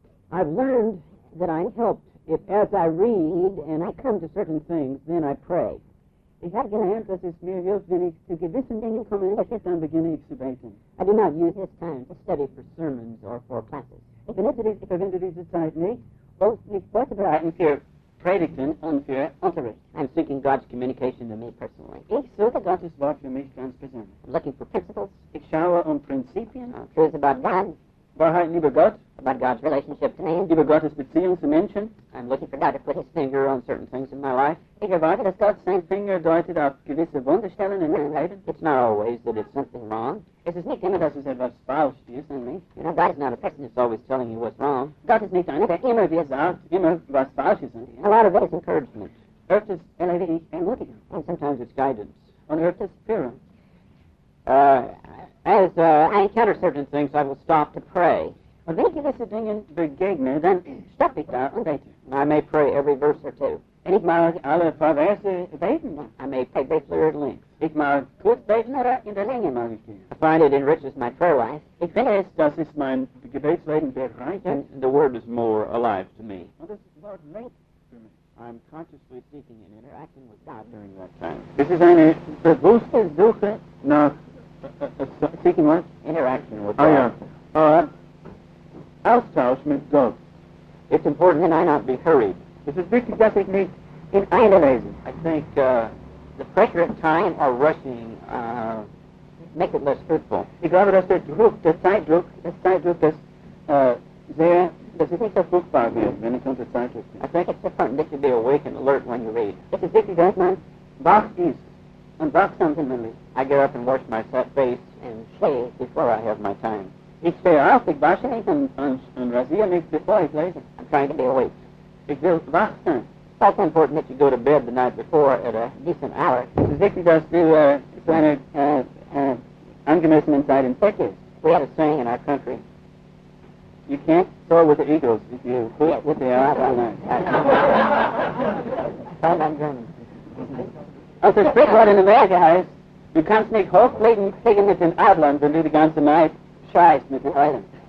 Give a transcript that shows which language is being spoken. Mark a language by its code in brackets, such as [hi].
[en] I've learned that I'm helped if as I read and I come to certain things, then I pray. [de] Ich habe gelernt, dass es mir hilft, wenn ich zu gewissen Dingen komme, dass ich dann beginne, ich zu beten. [en] I do not use this time to study for sermons or for classes. [de] Ich verwende diese Zeit nicht, nicht vorzubereiten für Predigten und für Unterricht. [en] I'm seeking God's communication to me personally. [de] Ich suche Gottes Wort für mich ganz persönlich. [en] I'm looking for principles. [de] Ich schaue Prinzipien. [en] Truths about God. [de] Wahrheiten über Gott. [en] About God's relationship to me. [de] Über Gottes Beziehung zu Menschen. [en] I'm looking for God to put his finger on certain things in my life. [de] Ich erwarte, dass Gott sein Finger deutet auf gewisse Wunderstellen in meinem Leben. [en] It's not always that it's something wrong. [de] Es ist nicht immer, dass es etwas falsch ist [en] in me. You know, God is not a person that's always telling you what's wrong. [de] Gott ist nicht einer, der immer dir sagt, immer was falsch ist in dir. [en] A lot of it is encouragement. [de] Öfters erlebe ich Ermutigung. [en] And sometimes it's guidance. [de] Und öfters Führung. [en] As I encounter certain things, I will stop to pray. [de] Und wenn ich gewisse Dinge begegne, dann stoppe ich da und bete. [en] I may pray every verse or two. [de] Und ich mag alle paar Verse beten. [en] I may pray briefly or at length. [de] Ich mag kurz beten oder in der Länge mag ich gehen. [en] I find it enriches my prayer life. [de] Ich finde es, dass es mein Gebetsleben bereichert. [en] And the Word is more alive to me. [de] Und das Wort lebt für mich. [en] I'm consciously seeking and interacting with God during that time. [de] Es ist eine bewusste Suche nach [en] seeking what? Interaction with God. Oh, yeah. [de] Austausch mit Gott. [en] It's important that I not be hurried. [de] Es ist wichtig, dass ich nicht in Eile lese. [en] I think the pressure of time or rushing make it less fruitful. [de] Ich glaube, dass der Zeitdruck, das sehr, dass es nicht so fruchtbar wird, wenn es unter Zeitdruck [en] ist. I think it's important that you be awake and alert when you read. [de] Es ist wichtig, dass man wach ist und wach sein kann, wenn man liest. [en] I get up and wash my face and shave before I have my time. [de] Ich stehe auf, ich wasche mich und rasiere mich, bevor ich lese. [en] I'm trying to be awake. [de] Ich will wach sein. [en] It's also important that you go to bed the night before at a decent hour. [de] Es ist wichtig, dass du deine angemessenen Zeiten vergisst. [en] We have a saying in our country. You can't soar with the eagles if you hoot with the owls all night. Sound like German. Also, it's a great word in America, guys. [de] Du kannst nicht hochfliegen, fliegen mit den Adlern, wenn du die ganze Nacht schreist mit den Eulen.